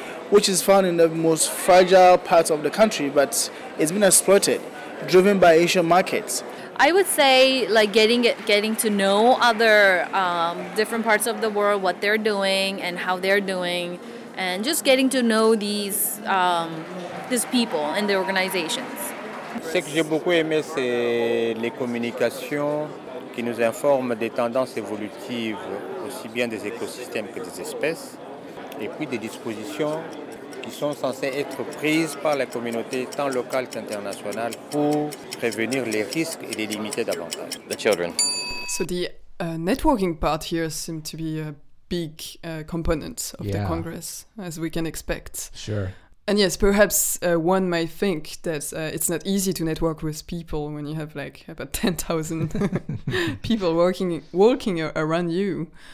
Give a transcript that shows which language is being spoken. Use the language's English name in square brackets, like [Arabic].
[English] which is found in the most fragile parts of the country, but it's been exploited, driven by Asian markets. I would say, like, getting to know other different parts of the world, what they're doing and how they're doing, and just getting to know these people and the organizations. [French] Ce que j'ai beaucoup aimé, c'est les communications qui nous informent des tendances évolutives, aussi bien des écosystèmes que des espèces, et puis des dispositions qui sont censées être prises par la communauté, tant locale qu'internationale, pour prévenir les risques et les limiter davantage. [English] The children. So the networking part here seemed to be a big component of the Congress, as we can expect. Sure. And yes, perhaps one might think that it's not easy to network with people when you have like about 10,000 people walking around you.